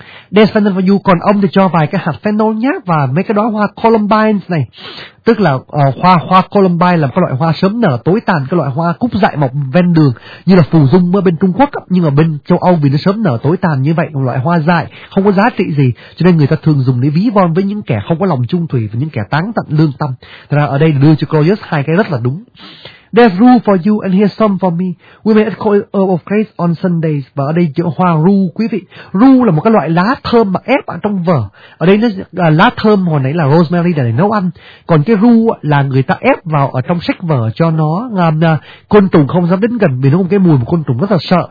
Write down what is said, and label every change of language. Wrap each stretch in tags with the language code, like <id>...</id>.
<en>There's fennel for you,</en> <vi>còn ông thì cho vài cái hạt fennel nhé, và mấy cái đóa hoa columbines này, tức là hoa columbine là một loại hoa sớm nở tối tàn, cái loại hoa cúc dại mọc ven đường như là phù dung ở bên Trung Quốc, nhưng mà bên châu Âu vì nó sớm nở tối tàn như vậy, một loại hoa dại không có giá trị gì, cho nên người ta thường dùng để ví von với những kẻ không có lòng trung thủy và những kẻ táng tận lương tâm. Thật ra ở đây đưa cho Claudius hai cái rất là đúng.</vi> <en>There's rue for you and here's some for me. We may call it herb of grace on Sundays.</en> <vi>Và ở đây chữ hoa rue quý vị. Rue là một cái loại lá thơm mà ép ở trong vở. Ở đây nó là lá thơm hồi nãy là rosemary để nấu ăn. Còn cái rue là người ta ép vào ở trong sách vở cho nó làm côn trùng không dám đến gần vì nó có cái mùi một côn trùng rất là sợ.</vi>